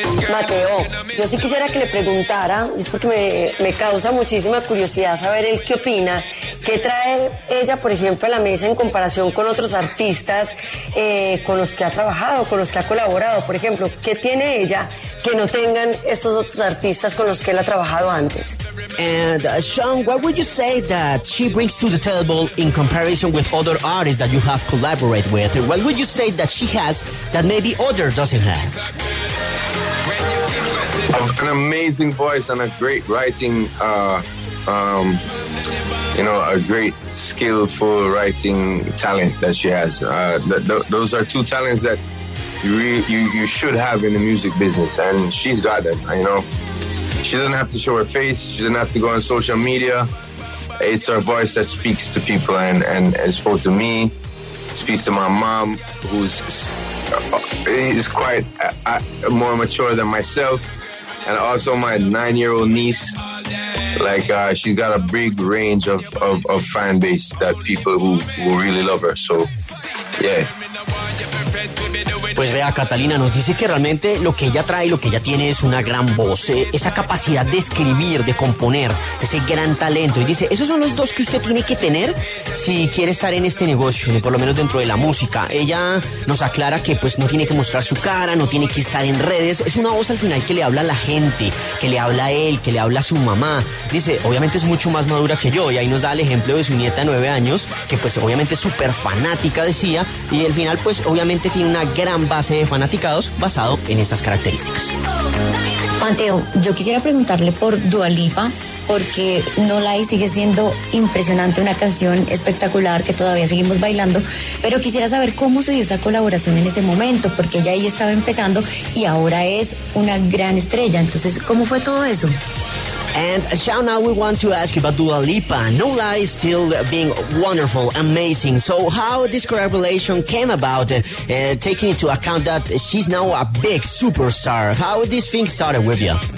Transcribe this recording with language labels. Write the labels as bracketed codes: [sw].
[es] Mateo, yo sí quisiera que le preguntara, es porque me causa muchísima curiosidad saber él qué opina, qué trae ella, por ejemplo, a la mesa en comparación con otros artistas con los que ha trabajado, con los que ha colaborado, por ejemplo, qué tiene ella que no tengan estos otros artistas con los que él ha trabajado antes. [en] And Sean, what would you say that she brings to the table in comparison with other artists that you have collaborated with? What would you say that she has that maybe other doesn't have? An amazing voice and a great writing, you know, a great skillful writing talent that she has. Those are two talents that you should have in the music business, and she's got them. You know, she doesn't have to show her face. She doesn't have to go on social media. It's her voice that speaks to people, and spoke to me. Speaks to my mom, who's quite more mature than myself. And also my 9-year-old niece, like she's got a big range of fan base, that people who really love her. So, yeah. [es] Pues vea, Catalina nos dice que realmente lo que ella trae, lo que ella tiene es una gran voz, esa capacidad de escribir, de componer, ese gran talento. Y dice, esos son los dos que usted tiene que tener si quiere estar en este negocio, por lo menos dentro de la música. Ella nos aclara que pues no tiene que mostrar su cara, no tiene que estar en redes. Es una voz al final que le habla a la gente, que le habla a él, que le habla a su mamá. Dice, obviamente es mucho más madura que yo. Y ahí nos da el ejemplo de su nieta de 9 años, que pues obviamente es súper fanática, decía. Y al final pues obviamente tiene una gran base de fanaticados basado en estas características. Mateo, yo quisiera preguntarle por Dua Lipa, porque No Lie sigue siendo impresionante, una canción espectacular que todavía seguimos bailando, pero quisiera saber cómo se dio esa colaboración en ese momento, porque ella ahí estaba empezando y ahora es una gran estrella. Entonces, ¿cómo fue todo eso? [en] And Shao, now we want to ask you about Dua Lipa. No Lie still being wonderful, amazing. So how this collaboration came about, taking into account that she's now a big superstar. How this thing started with you?